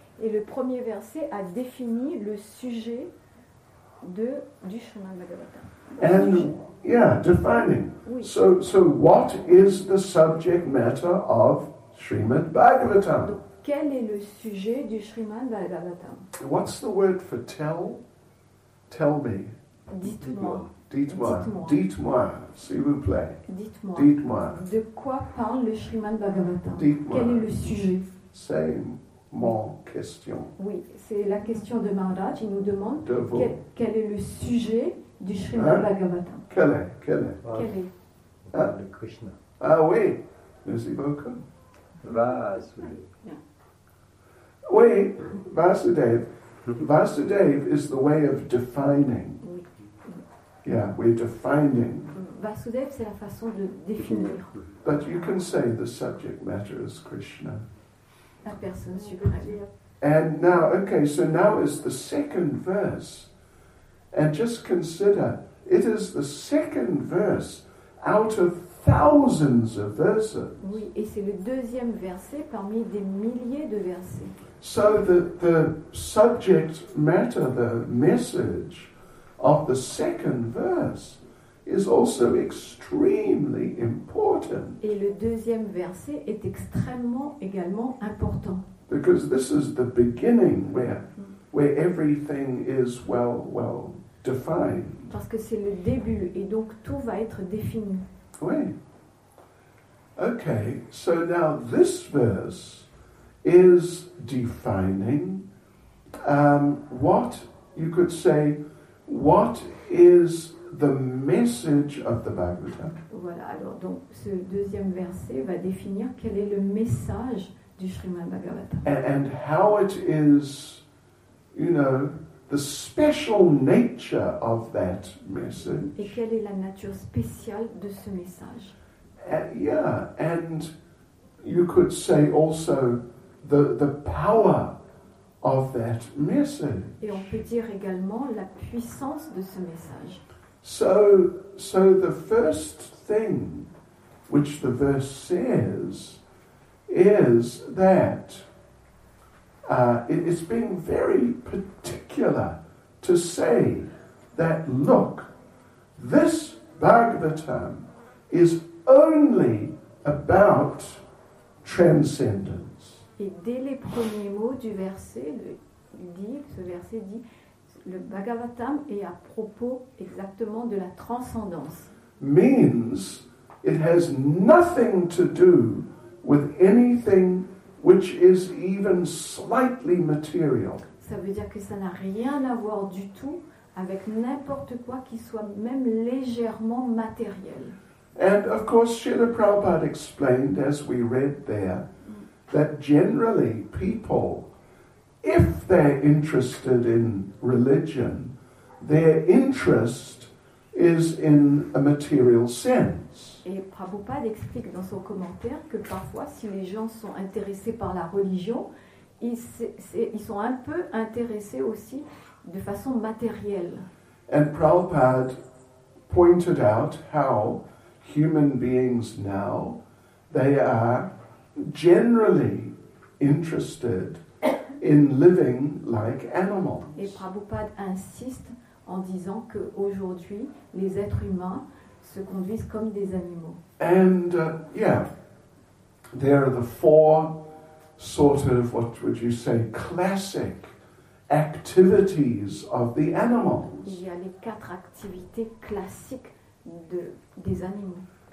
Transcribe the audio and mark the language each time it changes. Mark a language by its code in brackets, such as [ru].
[fr] Et le premier verset a défini le sujet du Srimad Bhagavatam. [en] And yeah, defining. [fr] Oui. [en] So what is the subject matter of Srimad Bhagavatam? [fr] Donc, quel est le sujet du Srimad Bhagavatam? [en] What's the word for tell? Tell me. [fr] Dites-moi. S'il vous plaît. Dites-moi. De quoi parle le Srimad Bhagavatam? Dites-moi. Quel est le sujet? C'est mon question. Oui, c'est la question de Maharaj. Il nous demande de vous. Quel est le sujet du Srimad Bhagavatam? Quel est? Le Krishna. Ah oui, merci beaucoup. Vasudev. [en] Oui, Vasudev. Vasudev is the way of defining. [fr] Oui. [en] Yeah, we're defining. [fr] Vasudev, c'est la façon de définir. [en] But you can say the subject matter is Krishna. [fr] La personne suprême. [en] And now, okay, so now is the second verse. And just consider, it is the second verse out of thousands of verses. [fr] Oui, et c'est le deuxième verset parmi des milliers de versets. [en] So the subject matter, the message of the second verse is also extremely important. [fr] Et le deuxième verset est extrêmement également important. [en] Because this is the beginning where everything is well defined. [fr] Parce que c'est le début et donc tout va être défini. Oui. [en] Okay, so now this verse is defining what you could say, what is the message of the Bhagavatam? [fr] Voilà, alors donc ce deuxième verset va définir quel est le message du Srimad Bhagavatam. [en] And how it is, you know, the special nature of that message. [fr] Et quelle est la nature spéciale de ce message? [en] Yeah, and you could say also the power of that message. [fr] Et on peut dire également la puissance de ce message. [en] So the first thing which the verse says is that it's being very particular to say that, look, this Bhagavatam is only about transcendence. [fr] Et dès les premiers mots du verset, ce verset dit, le Bhagavatam est à propos exactement de la transcendance. [en] Means it has nothing to do with anything which is even slightly material. [fr] Ça veut dire que ça n'a rien à voir du tout avec n'importe quoi qui soit même légèrement matériel. [en] And of course, Srila Prabhupada explained, as we read there, that generally people, if they're interested in religion, their interest is in a material sense. [fr] Et Prabhupada explique dans son commentaire que parfois, si les gens sont intéressés par la religion, ils sont un peu intéressés aussi de façon matérielle. [en] And Prabhupada pointed out how human beings now, they are generally interested in living like animals. [fr] Et Prabhupada insiste en disant que aujourd'hui les êtres humains se conduisent comme des animaux. [en] And there are the four sort of, what would you say, classic activities of the animals. [fr] Il y a les quatre activités classiques des animaux.